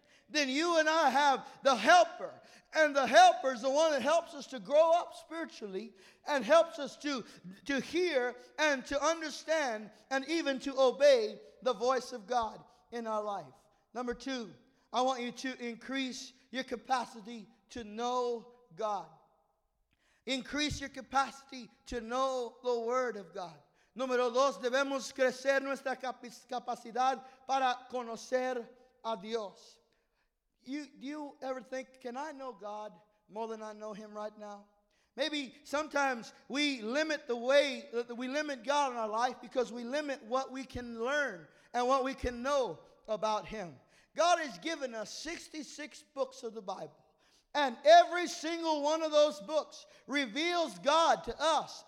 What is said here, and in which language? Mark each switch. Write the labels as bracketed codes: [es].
[en] Then you and I have the helper. And the helper is the one that helps us to grow up spiritually and helps us to hear and to understand and even to obey the voice of God in our life. Number two, I want you to increase your capacity to know God. Increase your capacity to know the Word of God. [es] Número dos, debemos crecer nuestra capacidad para conocer a Dios. [en] Do you ever think, can I know God more than I know him right now? Maybe sometimes we limit the way that we limit God in our life because we limit what we can learn and what we can know about him. God has given us 66 books of the Bible. And every single one of those books reveals God to us.